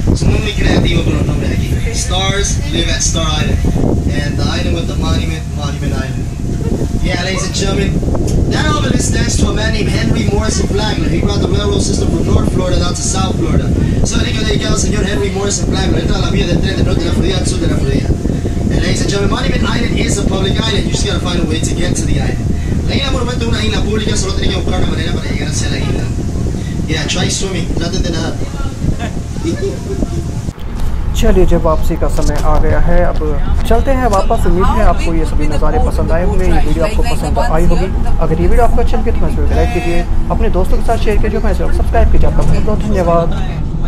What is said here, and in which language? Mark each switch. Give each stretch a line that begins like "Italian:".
Spanish: Son muy creativos con los nombres aquí.
English: Stars live at Star Island. And the island with the monument, Monument Island. Yeah, ladies and gentlemen, that obelisk stands to a man named Henry Morrison Flagler. He brought the railroad system from North Florida down to South Florida. So I think I'll dedicate to Señor Henry Morrison Flagler.
Spanish: Entra a la vía del tren de Norte de la Florida al Sur de la Florida.
English: And ladies and gentlemen, Monument Island is a public island. You just gotta find a way to get to the island.
Spanish: La isla monumento es una isla pública, solo tiene que buscar una manera para llegar hacia la isla.
English: Yeah, try swimming.
Hindi: चलिए जब वापसी का समय आ गया है अब चलते हैं वापस. उम्मीद है आपको ये सभी नज़ारे पसंद आए होंगे. ये वीडियो आपको पसंद आई होगी. अगर ये वीडियो आपको अच्छी लगी तो मैं लाइक कीजिए, अपने दोस्तों के साथ शेयर कीजिए, सब्सक्राइब कीजिए. आपका बहुत बहुत धन्यवाद.